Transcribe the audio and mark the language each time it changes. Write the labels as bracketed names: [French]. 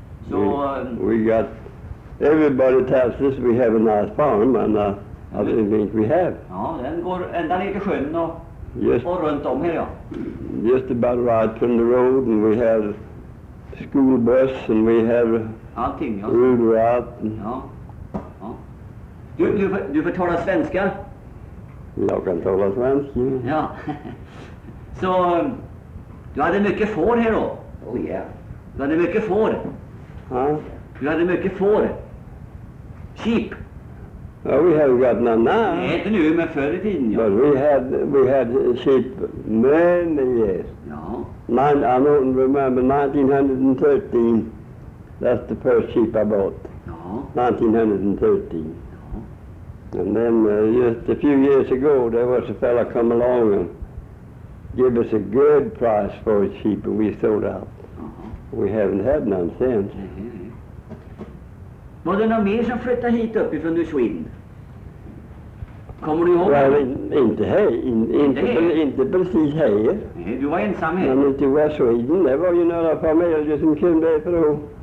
[English] So, we got, everybody tells us we have a nice farm and I don't think we have. [Swedish] Ja, den går ända ner till sjön och runt om här, ja. [English] Just about right from the road and we have school bus and we have [Swedish] allting, ja. [English] Road route. [Swedish] Ja, ja. Du får tala svenska. Jag kan tala svenska. Ja. Så, du hade mycket får här då? [English] Oh yeah. [Swedish] Du hade mycket får? Ja. Du hade mycket får? Sheep? [English] Well, we have got none now. [Swedish] Nej, inte nu, men förr i tiden, ja. [English] But we had sheep many years. [Swedish] Ja. [English] I don't remember, 1913, that's the first sheep I bought. [Swedish] Ja. 1913. [English] Ja. And then, just a few years ago, there was a fella come along and give us a good price for a sheep and we sold out. Uh-huh. We haven't had none since. [Swedish] Var det någon mer som flyttade hit upp ifrån Sweden? Kommer du ihåg? Well, inte precis här. Nej, du var ensam här. Men inte i Sweden, det var ju några familjer som kom därifrån.